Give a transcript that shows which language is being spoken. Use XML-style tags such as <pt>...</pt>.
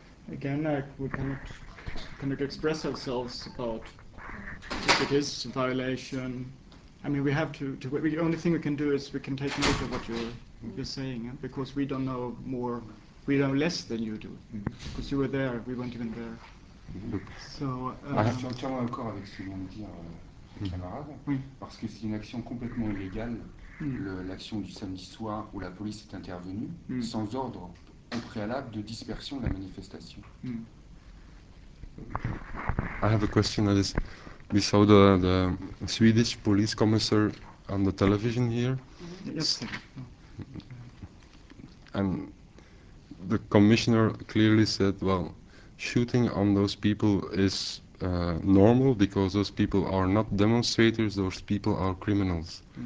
<en>Again, we cannot express ourselves about if it is a violation. I mean, we have to the only thing we can do is we can take note of what you're saying, because we don't know more, we know less than you do, because you were there, we weren't even there.</en> <fr>Je suis entièrement d'accord avec ce que vient de dire camarade, parce que c'est une action complètement illégale, l'action du samedi soir où la police est intervenue, sans ordre au préalable de dispersion de la manifestation.</fr> <en>I have a question. We saw the Swedish police commissar on the television here. Yes. And the commissioner clearly said, well, shooting on those people is normal because those people are not demonstrators, those people are criminals.</en>